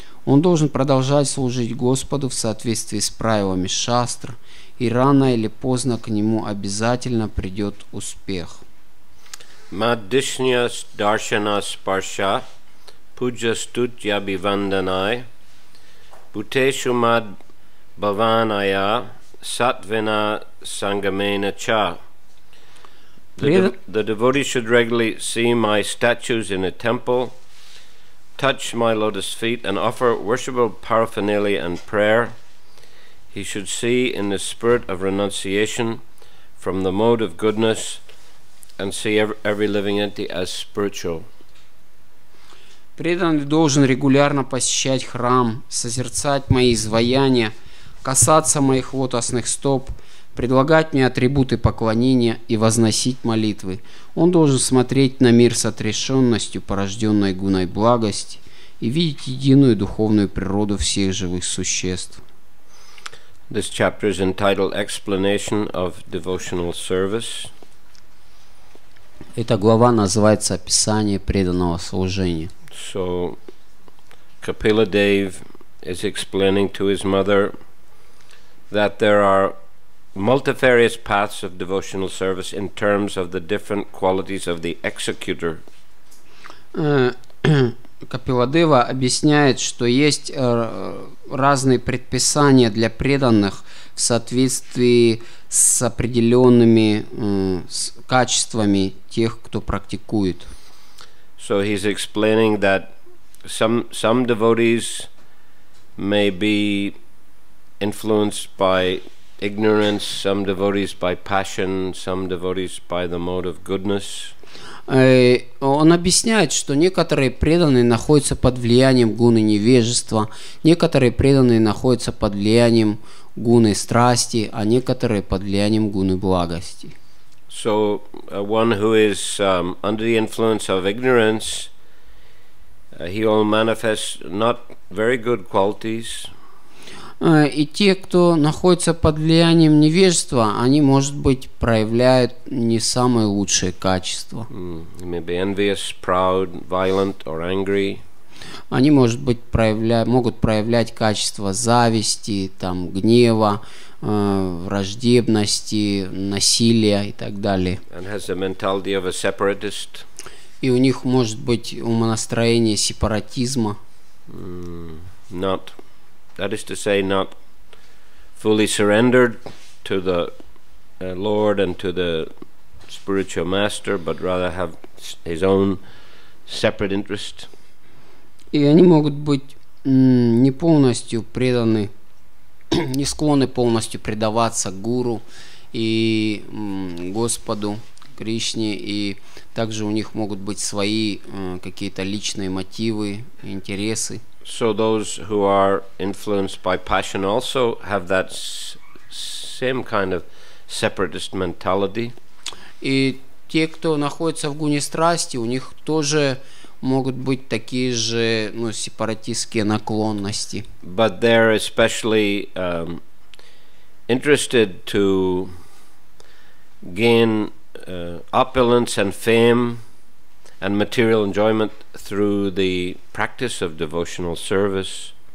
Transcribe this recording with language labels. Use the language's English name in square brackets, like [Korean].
[Russian] Он должен продолжать служить Господу в соответствии с правилами шастр, и рано или поздно к нему обязательно придет успех. [Sanskrit] Маддишня даршана спарша пуджа стутья биванданай бутешу мад баваная саттвена сангамена ча. [English] The devotee should regularly see my statues in a temple, touch my lotus feet and offer worshipable paraphernalia and prayer. He should see in the spirit of renunciation from the mode of goodness and see every living entity as spiritual. [Russian] Преданный должен регулярно посещать храм, созерцать мои изваяния, касаться моих лотосных стоп, предлагать мне атрибуты поклонения и возносить молитвы. Он должен смотреть на мир с отрешенностью, порожденной гуной благости, и видеть единую духовную природу всех живых существ. [English] This chapter is entitled Explanation of Devotional Service. [Russian] Эта глава называется «Описание преданного служения». [English] So, Kapila Dev is explaining to his mother that there are multifarious paths of devotional service in terms of the different qualities of the executor. [Russian] Капиладева объясняет, что есть разные предписания для преданных в соответствии с определенными качествами тех, кто практикует. [English] So he's explaining that some devotees may be influenced by ignorance, some devotees by passion, some devotees by the mode of goodness. [Russian] Он объясняет, что некоторые преданные находятся под влиянием гуны невежества, некоторые преданные находятся под влиянием гуны страсти, а некоторые под влиянием гуны благости. [English] So, one who is under the influence of ignorance, he will manifest not very good qualities. [Russian] И те, кто находится под влиянием невежества, они, может быть, проявляют не самые лучшие качества. [English] Maybe envious, proud, violent, or angry. [Russian] Они, может быть, могут проявлять качества зависти, там, гнева, враждебности, насилия и так далее. [English] And has the mentality of a separatist. [Russian] И у них, может быть, умонастроение сепаратизма. [English] Not. That is to say, not fully surrendered to the Lord and to the spiritual master, but rather have his own separate interest. [Russian] И они могут быть не полностью преданы, не склонны полностью предаваться гуру и Господу Кришне, и также у них могут быть свои какие-то личные мотивы, интересы. [English] So those who are influenced by passion also have that same kind of separatist mentality. [Russian] И те, кто находится в гуне страсти, у них тоже могут быть такие же, ну, сепаратистские наклонности. [English] But they're especially interested to gain opulence and fame and material enjoyment through the practice of devotional service.